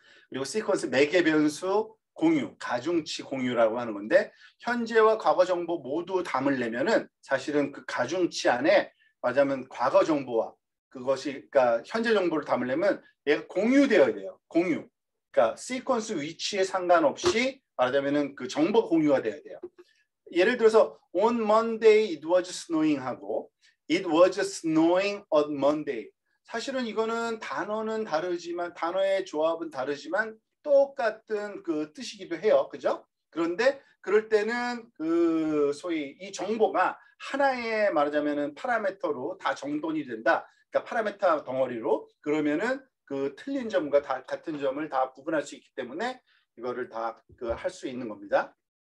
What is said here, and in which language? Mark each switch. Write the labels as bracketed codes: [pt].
[ko] 그리고 시퀀스 매개 변수 공유, 가중치 공유라고 하는 건데 현재와 과거 정보 모두 담으려면은 사실은 그 가중치 안에 맞으면 과거 정보와 그것이 그러니까 현재 정보를 담으려면 얘가 공유되어야 돼요. 공유. 그러니까 시퀀스 위치에 상관없이 말하자면은 그 정보 공유가 되어야 돼요. [en] 예를 들어서 on Monday it was snowing [ko] 하고 [en] it was snowing on Monday. [ko] 사실은 이거는 단어는 다르지만 단어의 조합은 다르지만 똑같은 그 뜻이기도 해요. 그죠? 그런데 그럴 때는 그 소위 이 정보가 하나의 말하자면은 파라메터로 다 정돈이 된다. 그러니까 파라메터 덩어리로 그러면은 그 틀린 점과 다 같은 점을 다 구분할 수 있기 때문에 이거를 다 그 할 수 있는 겁니다.